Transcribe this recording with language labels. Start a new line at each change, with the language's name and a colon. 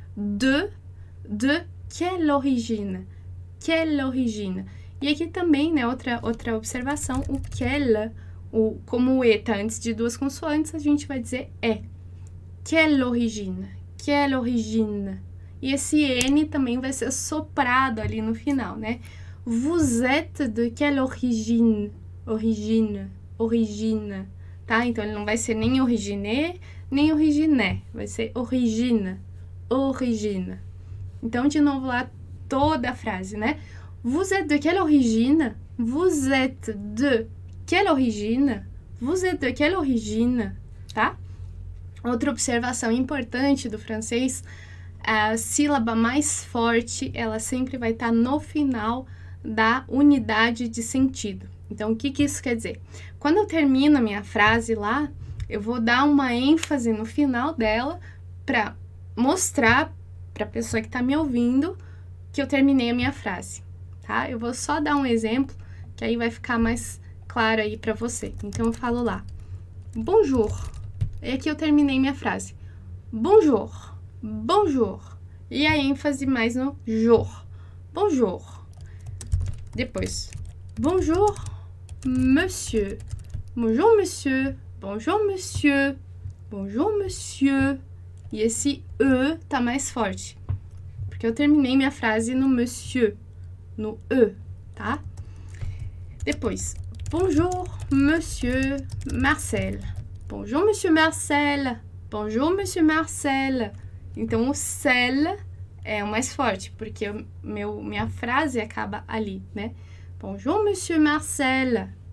French: De, quelle origine? Quelle origine?
Portuguese: E aqui também, né, outra observação, o quelle, como o E tá antes de duas consoantes, a gente vai dizer é.
French: Quelle origine? Quelle origine?
Portuguese: E esse N também vai ser soprado ali no final, né?
French: Vous êtes de quelle origine? Origine, origine. Tá?
Portuguese: Então ele não vai ser nem originé, nem originé. Vai ser origina, origina. Então, de novo lá, toda a frase, né?
French: Vous êtes de quelle origine? Vous êtes de quelle origine? Vous êtes de quelle origine?
Portuguese: Tá? Outra observação importante do francês, a sílaba mais forte, ela sempre vai estar no final da unidade de sentido. Então, o que que isso quer dizer? Quando eu termino a minha frase lá, eu vou dar uma ênfase no final dela para mostrar para a pessoa que está me ouvindo que eu terminei a minha frase, tá? Eu vou só dar um exemplo que aí vai ficar mais claro aí para você. Então, eu falo lá: Bonjour. E aqui eu terminei minha frase. Bonjour. Bonjour. E a ênfase mais no jour. Bonjour.
French: Depois, bonjour, monsieur. Bonjour, monsieur. Bonjour, monsieur. Bonjour, monsieur.
Portuguese: E esse E tá mais forte, porque eu terminei minha frase no monsieur, no E, tá?
French: Depois, bonjour, monsieur Marcel. Bonjour, monsieur Marcel. Bonjour, monsieur Marcel.
Portuguese: Então, o cel é o mais forte, porque minha frase acaba ali, né?
French: Bonjour, monsieur Marcel.